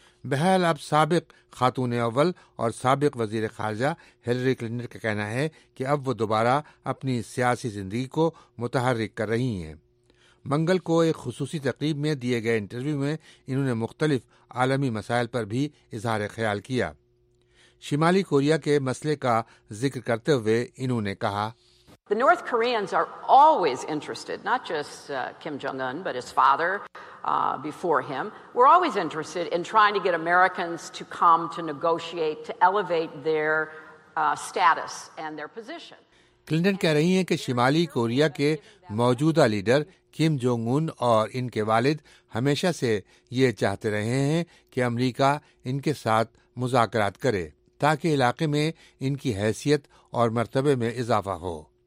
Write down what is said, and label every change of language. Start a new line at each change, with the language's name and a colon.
Urdu: بہرحال اب سابق خاتون اول اور سابق وزیر خارجہ ہلری کلنٹن کا کہنا ہے کہ اب وہ دوبارہ اپنی سیاسی زندگی کو متحرک کر رہی ہیں. منگل کو ایک خصوصی تقریب میں دیے گئے انٹرویو میں انہوں نے مختلف عالمی مسائل پر بھی اظہار خیال کیا. شمالی کوریا کے مسئلے کا ذکر کرتے ہوئے انہوں نے کہا,
English: The North Koreans are always interested, not just Kim Jong-un, but his father before him. We're always interested in trying to get Americans to come to negotiate, to elevate their status and their position.
Urdu: Clinton کہہ رہی ہیں کہ شمالی Korea کے موجودہ leader Kim Jong Un اور ان کے والد ہمیشہ سے یہ چاہتے رہے ہیں کہ امریکہ ان کے ساتھ مذاکرات کرے تاکہ علاقے میں ان کی حیثیت اور مرتبے میں اضافہ ہو.